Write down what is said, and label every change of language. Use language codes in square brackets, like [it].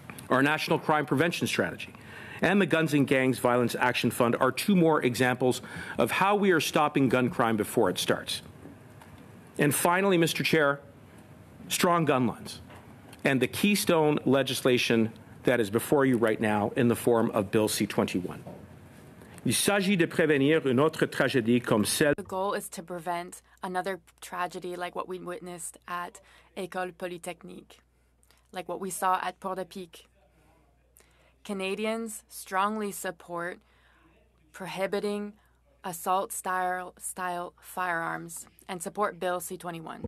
[en] Our National Crime Prevention Strategy and the Guns and Gangs Violence Action Fund are two more examples of how we are stopping gun crime before it starts. And finally, Mr. Chair, strong gun laws and the keystone legislation that is before you right now in the form of Bill C-21. [fr] Il s'agit de prévenir une autre tragédie comme celle. [en] The goal is to prevent another tragedy like what we witnessed at École Polytechnique, like what we saw at Port-au-Pique. Canadians strongly support prohibiting assault-style firearms and support Bill C-21.